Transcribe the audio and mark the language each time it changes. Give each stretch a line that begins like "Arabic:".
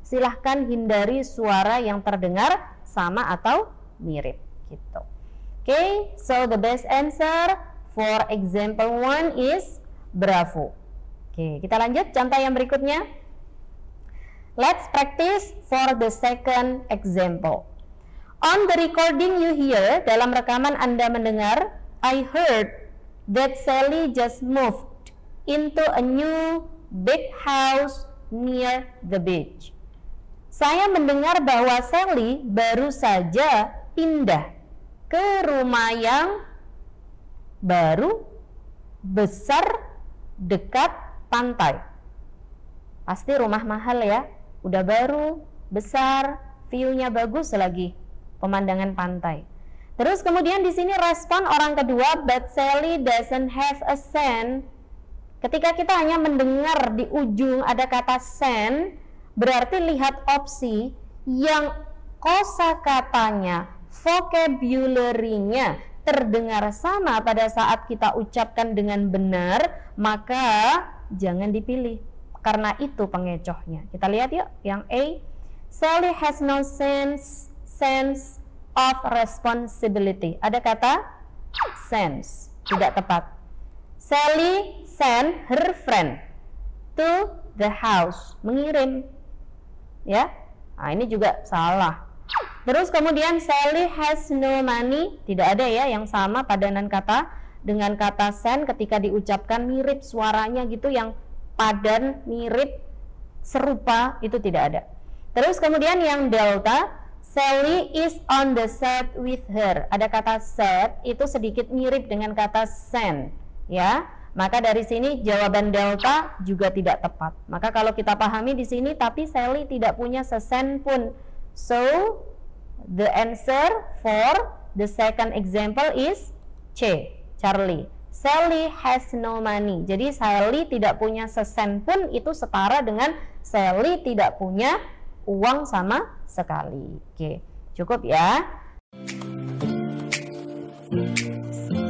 Indonesian: Silahkan hindari suara yang terdengar sama atau mirip gitu.
English: Okay, so the best answer for example one is bravo.
Indonesian: Oke, kita lanjut contoh yang berikutnya.
English: Let's practice for the second example. On the recording you hear,
Indonesian: dalam rekaman Anda mendengar,
English: I heard that Sally just moved into a new big house near the beach.
Indonesian: Saya mendengar bahwa Sally baru saja pindah ke rumah yang baru, besar, dekat pantai. Pasti rumah mahal ya, udah baru, besar, view-nya bagus lagi, pemandangan pantai. Terus kemudian di sini respon orang kedua,
English: but Sally doesn't have a cent.
Indonesian: Ketika kita hanya mendengar di ujung ada kata cent, berarti lihat opsi yang kosakatanya, vocabulary-nya terdengar sama pada saat kita ucapkan dengan benar, maka jangan dipilih karena itu pengecohnya. Kita lihat yuk yang
English: A. Sally has no sense of responsibility.
Indonesian: Ada kata sense, tidak tepat.
English: Sally sent her friend to the house,
Indonesian: mengirim ya. Nah, ini juga salah. Terus kemudian
English: Sally has no money,
Indonesian: tidak ada ya yang sama padanan kata dengan kata sen ketika diucapkan mirip suaranya gitu, yang padan, mirip, serupa, itu tidak ada. Terus kemudian yang
English: delta, Sally is on the set with her.
Indonesian: Ada kata set, itu sedikit mirip dengan kata sen ya. Maka dari sini jawaban delta juga tidak tepat. Maka kalau kita pahami di sini, tapi Sally tidak punya sesen pun.
English: So, the answer for the second example is C, Charlie. Sally has no money.
Indonesian: Jadi Sally tidak punya sesen pun itu setara dengan Sally tidak punya uang sama sekali. Oke, cukup ya.